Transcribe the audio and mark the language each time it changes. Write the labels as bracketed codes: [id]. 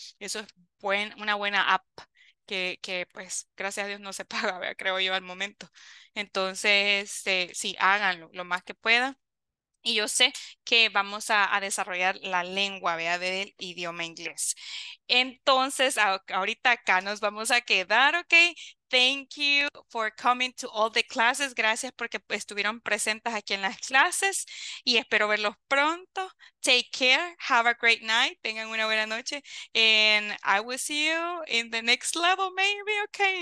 [es] Eso es una buena app que pues gracias a Dios no se paga, ¿verdad? Creo yo al momento. Entonces, sí, háganlo lo más que puedan. Y yo sé que vamos a desarrollar la lengua, ¿vea? Del idioma inglés. Entonces, ahorita acá nos vamos a quedar, ¿ok? [en] Thank you for coming to all the classes. [es] Gracias porque estuvieron presentes aquí en las clases y espero verlos pronto. [en] Take care. Have a great night. [es] Tengan una buena noche. [en] And I will see you in the next level, maybe, okay?